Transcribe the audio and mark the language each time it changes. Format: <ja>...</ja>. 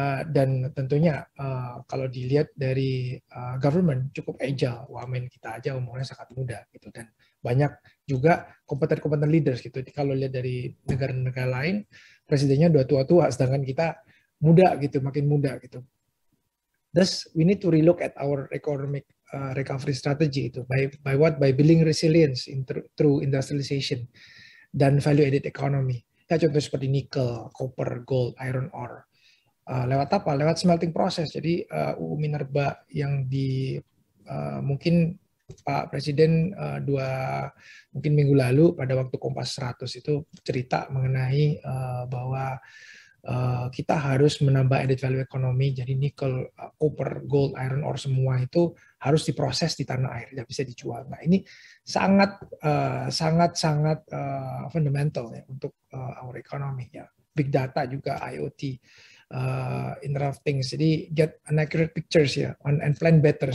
<id>Dan tentunya kalau dilihat dari government cukup agile, wamen kita aja umurnya sangat muda gitu, dan banyak juga kompeten-kompeten leaders gitu. Jadi, kalau lihat dari negara-negara lain, presidennya udah tua-tua, sedangkan kita muda gitu, makin muda gitu.</id> <en>Thus, we need to relook at our economic recovery strategy itu by what? By building resilience through industrialization dan value-added economy.</en> <id>Kita contoh seperti nikel, copper, gold, iron ore. Lewat apa? Lewat smelting process. Jadi UU Minerba yang di mungkin Pak Presiden dua mungkin minggu lalu pada waktu Kompas 100 itu cerita mengenai bahwa kita harus menambah added value economy. Jadi nikel, copper, gold, iron ore semua itu harus diproses di tanah air, tidak bisa dijual. Nah, ini sangat sangat fundamental ya untuk</id> <en>our economy</en> <id>ya.</id> <en>Big data juga, IoT, interrupting. Jadi get an accurate pictures ya, and plan better.</en>